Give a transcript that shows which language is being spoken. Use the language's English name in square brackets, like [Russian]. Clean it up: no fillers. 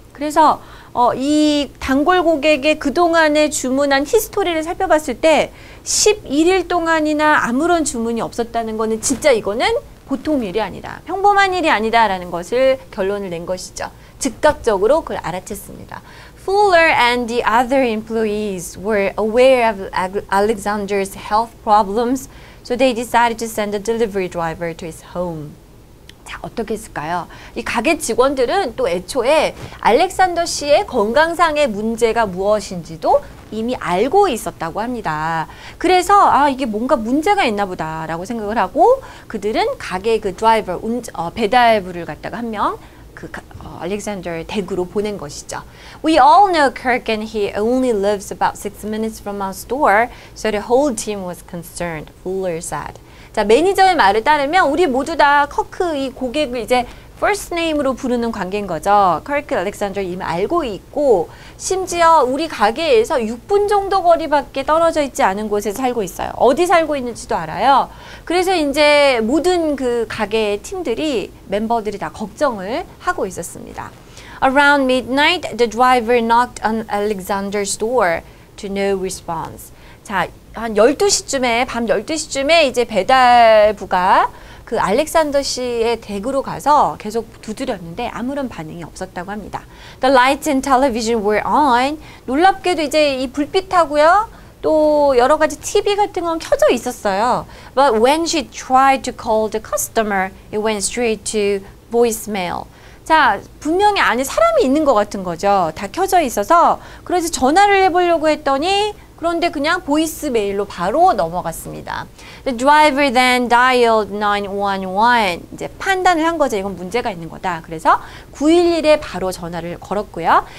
[Korean] 그래서 이 단골 고객의 그동안에 주문한 히스토리를 살펴봤을 때 11일 동안이나 아무런 주문이 없었다는 거는 진짜 이거는 보통 일이 아니다. 평범한 일이 아니다라는 것을 결론을 낸 것이죠. 즉각적으로 그걸 알아챘습니다. [English] Fuller and the other employees were aware of Alexander's health problems, so they decided to send a delivery driver to his home. [Korean] 자, 어떻게 했을까요? 이 가게 직원들은 또 애초에 알렉산더 씨의 건강상의 문제가 무엇인지도 이미 알고 있었다고 합니다. 그래서 아, 이게 뭔가 문제가 있나 보다라고 생각을 하고 그들은 가게 그 드라이버, 배달부를 갖다가 한 명 그 알렉산더의 댁으로 보낸 것이죠. [English] We all know Kirk and he only lives about 6 minutes from our store, so the whole team was concerned, Fuller said. [Korean] 자, 매니저의 말을 따르면 우리 모두 다 커크 이 고객을 이제 first name으로 부르는 관계인 거죠. 커크 알렉산더 이미 알고 있고 심지어 우리 가게에서 6분 정도 거리밖에 떨어져 있지 않은 곳에 살고 있어요. 어디 살고 있는지도 알아요. 그래서 이제 모든 그 가게의 팀들이 멤버들이 다 걱정을 하고 있었습니다. [English] Around midnight, the driver knocked on Alexander's door to no response. [Korean] 자, 한 12시쯤에 밤 12시쯤에 이제 배달부가 그 알렉산더 씨의 댁으로 가서 계속 두드렸는데 아무런 반응이 없었다고 합니다. [English] The lights and television were on. [Korean] 놀랍게도 이제 이 불빛하고요. 또 여러 가지 TV 같은 건 켜져 있었어요. [English] But when she tried to call the customer, it went straight to voicemail. [Korean] 자, 분명히 안에 사람이 있는 것 같은 거죠. 다 켜져 있어서 그래서 전화를 해보려고 했더니 그런데 그냥 보이스메일로 바로 넘어갔습니다. [English] The driver then dialed 911. [Korean] 이제 판단을 한 거죠. 이건 문제가 있는 거다. 그래서 911에 바로 전화를 걸었고요.